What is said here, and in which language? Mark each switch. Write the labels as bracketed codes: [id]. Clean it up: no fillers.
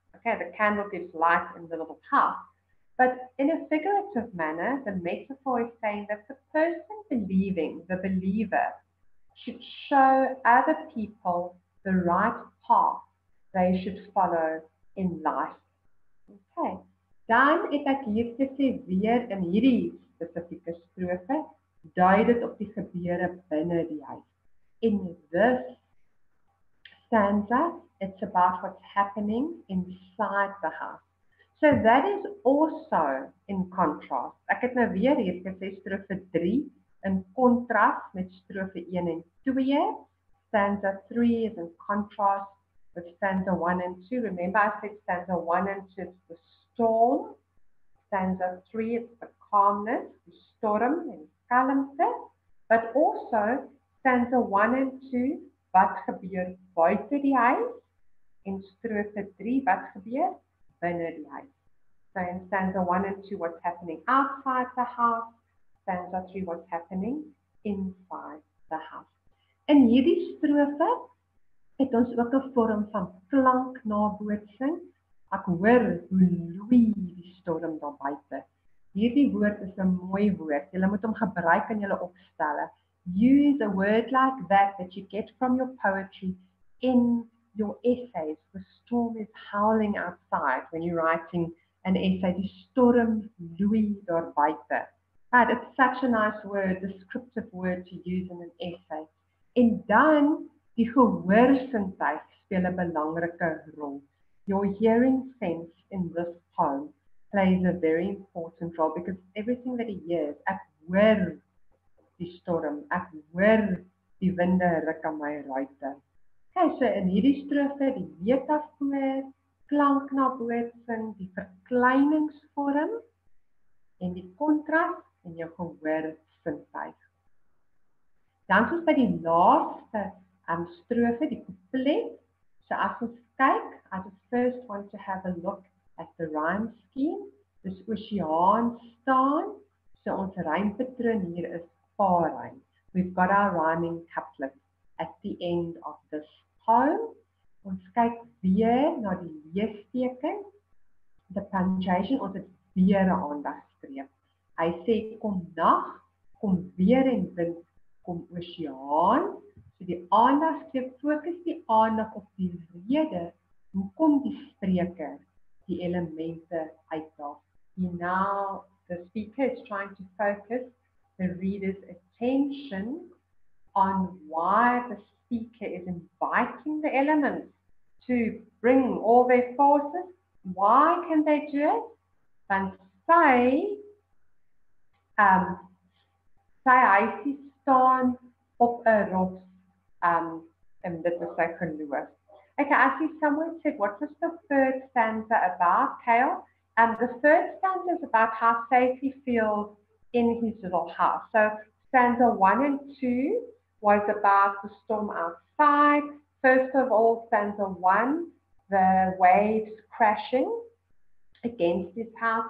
[en] Okay, the candle gives light in the little house. But in a figurative manner, the metaphor is saying that the person believing, the believer, should show other people the right path they should follow in life. Okay. [af] Dan het ek hier gesê weer in hierdie spesifieke strofe, dui dit op die gebeure binne die huis. [en] In this stanza, it's about what's happening inside the house. So that is also in contrast. [af] Ek het nou weer hier gesê strofe 3 in contrast met strofe 1 en 2. [en] Stanza 3 is in contrast with stanza 1 and 2. Remember I said stanza 1 and 2 is the storm. Stanza 3 is the calmness, the storm [af] en kalmte. [en] But also stanza 1 and 2, [af] wat gebeur buite die huis? En strofe 3, wat gebeur binne die huis? [en] So in stanza 1 and 2, what's happening outside the house? Stanza 3, what's happening inside the house? [af] In hierdie strofe het ons ook 'n vorm van klanknabootsing. Ek hoor hoe loei die storm daar buite. Hierdie woord is 'n mooi woord. Julle moet hom gebruik in julle opstelle. [en] Use a word like that that you get from your poetry in your essays. The storm is howling outside when you're writing an essay. [af] Die storm loei daar buite. [en] But it's such a nice word, descriptive word to use in an essay. [af] En dan, die gehoorsintuig speel 'n belangrike rol. [en] Your hearing sense in this poem plays a very important role because everything that he hears, [af] ek hoor die storm, ek hoor die winde ruk aan my ruiter. Okay, so in hierdie strofe, die metafoor, klanknabootsing, die verkleiningsvorm en die kontras en jou gehoorsintuig. Dan is ons by die laaste strofe, die couplet. So as ons kyk, as ons [en] first want to have a look at the rhyme scheme, [af] dis oseaan staan, so ons rympatroon hier is paarrym. [en] We've got our rhyming couplet at the end of this poem. [af] Ons kyk weer na die leesteken, [en] the punctuation, [af] ons het weer 'n aandagstreep. Hy sê, kom nag, kom weer en wind, kom oseaan. So die aandagstreep fokus die aandag op die rede hoekom die spreker die elemente uitdaag. [en] Now the speaker is trying to focus the reader's attention on why the speaker is inviting the elements to bring all their forces. Why can they do it? [af] Want sy huisie staan op 'n rots, en dit is sy geloof. [en] Okay, I see someone said, what was the third stanza about, Kale? And the third stanza is about how safe he feels in his little house. So stanza one and two was about the storm outside. First of all, stanza one, the waves crashing against his house.